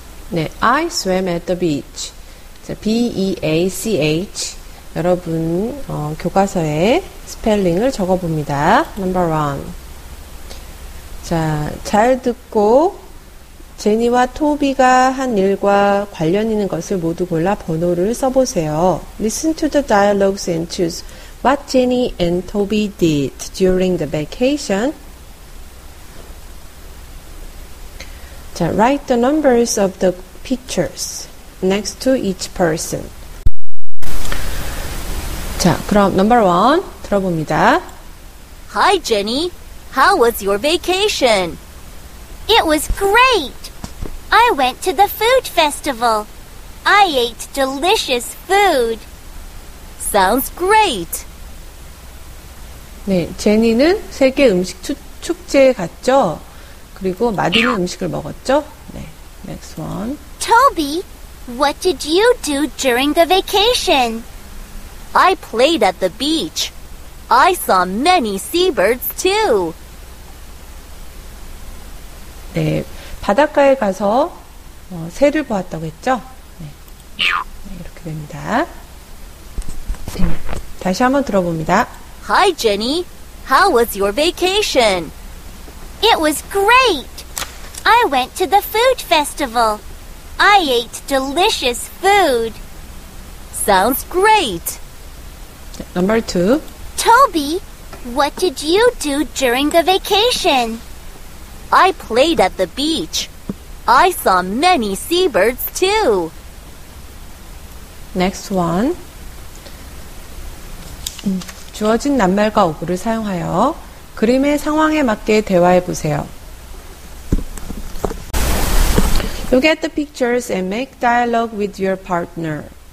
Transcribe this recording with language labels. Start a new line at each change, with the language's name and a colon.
English: 네, I swam at the beach. B-E-A-C-H.
Korean: 여러분 교과서에 스펠링을 적어봅니다.
English: Number one.
Korean: 자, 잘 듣고 제니와 토비가 한 일과 관련 있는 것을 모두 골라 번호를 써보세요.
English: Listen to the dialogues and choose what Jenny and Toby did during the vacation. 자, write the numbers of the pictures next to each person.
Korean: 자, 그럼
English: number one
Korean: 들어봅니다.
English: Hi Jenny, how was your vacation? It was great. I went to the food festival. I ate delicious food. Sounds great.
Korean: 네, 제니는 세계 음식 축제에 갔죠. 그리고 맛있는 음식을 먹었죠.
English: 네, next one. Toby, what did you do during the vacation? I played at the beach. I saw many seabirds too.
Korean: 네. 바닷가에 가서 새를 보았다고 했죠? 네. 네, 이렇게 됩니다. 다시 한번 들어봅니다.
English: Hi Jenny, how was your vacation? It was great. I went to the food festival. I ate delicious food. Sounds great. Number two. Toby, what did you do during the vacation? I played at the beach. I saw many seabirds too. Next one.
Korean: 주어진 낱말과 어구를 사용하여 그림의 상황에 맞게 대화해 보세요.
English: Look at the pictures and make dialogue with your partner.